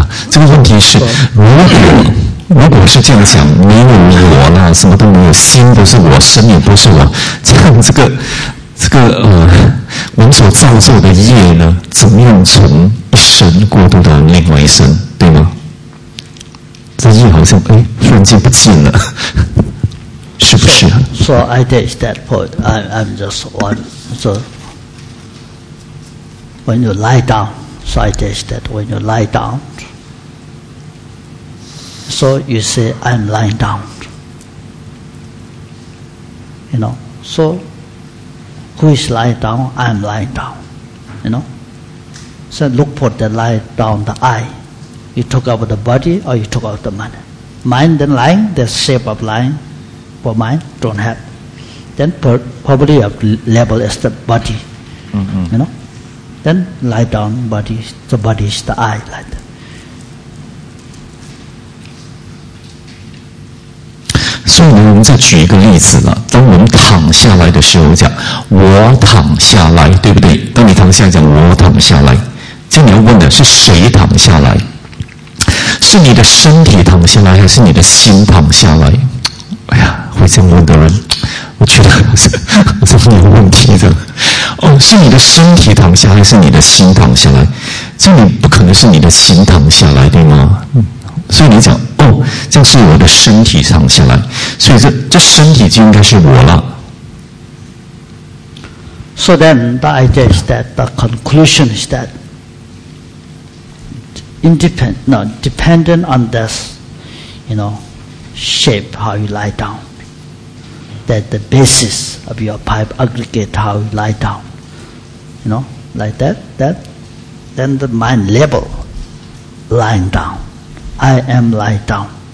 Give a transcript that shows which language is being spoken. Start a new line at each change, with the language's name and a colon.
Chinese: 这个问题是，如果是这样讲，没有我啦，什么都没有，心不是我，身也不是我，这样这个我们所造作的业呢，怎么样从一生过渡到另外一生，对吗？这业好像突然间不见了，是不是啊？
English: So I guess that point. I'm just one. So when you lie down, so I guess that when you lie down. So you say, I'm lying down. You know, so who is lying down? I'm lying down. You know, so look for the lying down, the I. You talk about the body or you talk about the mind. Mind then lying, the shape of lying for mind don't have. Then probably you have labeled as the body. Mm-hmm. You know, then lie down, body, the body is the I like that.
Chinese: 所以我们再举一个例子了，当我们躺下来的时候讲我躺下来，对不对？当你躺下来讲我躺下来，这你要问的是谁躺下来，是你的身体躺下来还是你的心躺下来？哎呀，会这样问的人我觉得是很有问题的。哦，是你的身体躺下还是你的心躺下来？这你不可能是你的心躺下来，对吗？所以你讲这样是我的身体躺下来，所以这身体就应该是我了。
English: So then the idea is that the conclusion is that dependent on this, you know, shape how you lie down, that the basis of your pipe aggregate how you lie down, you know, like that, then the mind level lying down, I am lie down.